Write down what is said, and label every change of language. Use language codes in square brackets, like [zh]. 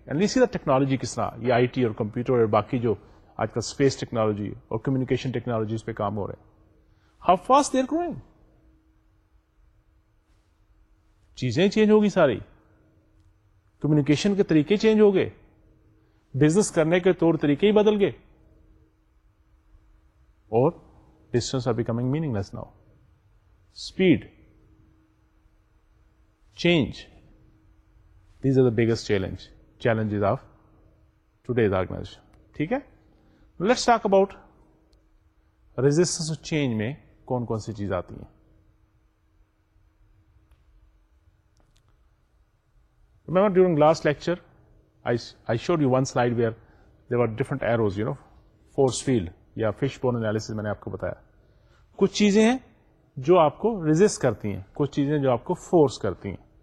[ur] And یہ سی the technology کس طرح, یہ آئی ٹی اور کمپیوٹر اور باقی جو آج کل اسپیس ٹیکنالوجی اور کمیونیکیشن ٹیکنالوجیز پہ کام ہو رہے ہیں, [en] How fast they are growing. [ur] چیزیں چینج ہوگی ساری, کمیونیکیشن کے طریقے چینج ہو گئے, بزنس کرنے کے طور طریقے ہی بدل گئے, اور [en] Distance are becoming meaningless now. Speed, change, these are the biggest challenges of today's organization. [ur] ٹھیک ہے, [en] let's talk about resistance of change [ur] میں کون کون سی چیز آتی ہیں. [en] remember during last lecture I showed you one slide where there are different arrows, you know force field یا fish bone analysis, [ur] میں نے آپ کو بتایا کچھ چیزیں ہیں جو آپ کو ریزسٹ کرتی ہیں, کچھ چیزیں جو آپ کو فورس کرتی ہیں.